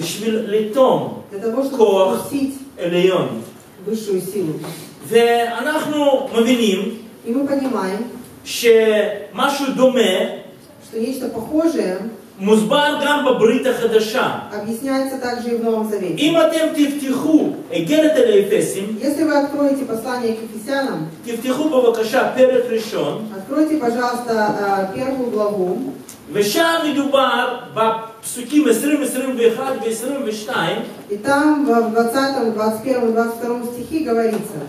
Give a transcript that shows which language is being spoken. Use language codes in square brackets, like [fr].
[he] בשביל לטום. [ru] Для того, чтобы вкусить [he] עליון. [ru] Высшую силу. [he] ואנחנו מבינים. [ru] И мы понимаем. [he] שמשהו דומה. [ru] Что нечто похожее. [he] מוסבר גם בברית החדשה. [ru] Объясняется также и в Новом Завете. [he] אם אתם תפתחו אגרת אל האפסים. [ru] Если вы откроете послание к Ефесянам. [he] תפתחו בבקשה פרק ראשון. [ru] Откройте, пожалуйста, первую главу. [he] ושם מדובר בפסוק. פסוקים 20, 21 ו-22, [ru] и там в 20, 21, 22 стихи говорится,